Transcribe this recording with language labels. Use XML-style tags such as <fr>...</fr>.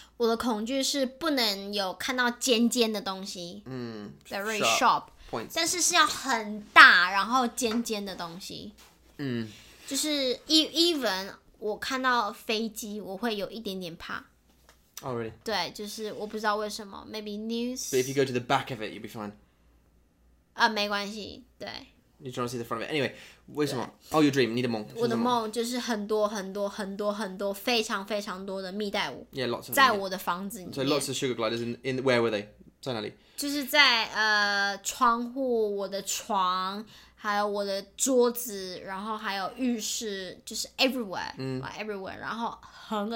<zh>我的恐惧是不能有看到尖尖的东西。嗯。</zh> <en>Very sharp. Points.</en> <zh>但是要很大，然后尖尖的东西。嗯。就是 even 我看到飞机，我会有一点点怕。</zh> <en>Oh, really?</en> <zh>对，就是我不知道为什么。</zh> <en>Maybe news. But if you go to the back of it, you'll be fine.</en> <zh>没关系。对。</zh> <en>You try to see the front of it. Anyway,</en> <zh>为什么？</zh> <en>Oh, your dream.</en> <zh>你的梦。我的梦就是很多很多很多很多非常非常多的蜜袋鼯。</zh> <en>Yeah, lots of.</en> <zh>在我的房子里面。</zh> <en>So lots of sugar gliders. In where were they?</en> <zh>在哪里？就是在窗户，我的床。还有我的桌子，然后还有浴室，就是</zh> <en>everywhere，like everywhere，</en> <zh>然后很恶心。</zh>